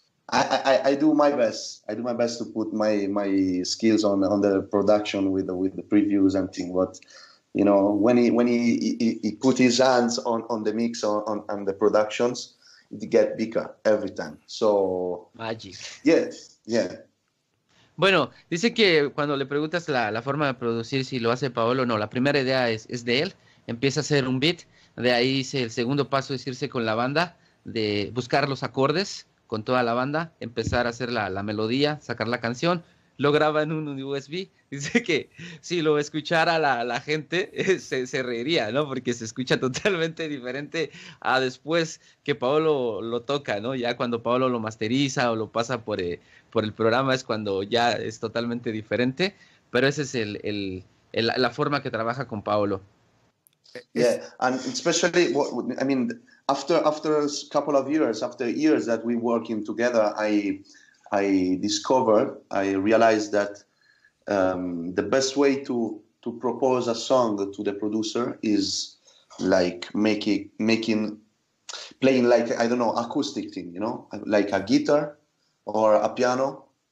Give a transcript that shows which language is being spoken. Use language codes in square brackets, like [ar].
[en] I do my best to put my skills on the production with the previews and thing. But you know, when he put his hands on the mix on the productions, it get bigger every time. So magic. Yes. Yeah. [es] Bueno, dice que cuando le preguntas la forma de producir, si lo hace Paolo o no, la primera idea es de él. Empieza a hacer un beat. De ahí dice el segundo paso es irse con la banda, de buscar los acordes con toda la banda, empezar a hacer la melodía, sacar la canción. Lo graba en un USB. Dice que si lo escuchara la gente, se reiría, ¿no? Porque se escucha totalmente diferente a después que Paolo lo toca, ¿no? Ya cuando Paolo lo masteriza o lo pasa por el programa es cuando ya es totalmente diferente. Pero esa es la forma que trabaja con Paolo. [en] Yeah, and especially, I mean, after a couple of years, after years that we working together, I realized that the best way to propose a song to the producer is like playing like, I don't know, acoustic thing, you know, like a guitar or a piano.